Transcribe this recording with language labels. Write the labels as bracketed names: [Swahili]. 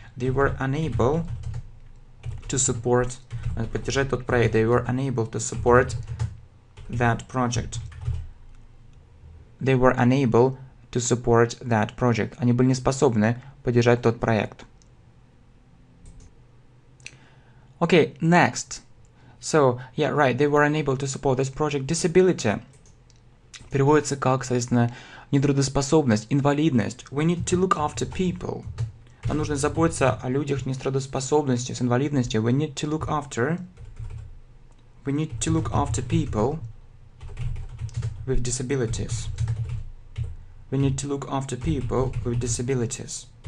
[English] They were unable to support. [Russian] Поддержать тот проект. [English] They were unable to support that project. They were unable to support that project. [Russian] Они были не способны поддержать тот проект. [English] Okay, next. So, yeah, right, they were unable to support this project. [Russian] Disability переводится как, соответственно, нетрудоспособность, инвалидность. [English] We need to look after people. [Russian] Нам нужно заботиться о людях с нетрудоспособностью, с инвалидностью. [English] We need to look after. We need to look after people with disabilities. We need to look after people with disabilities.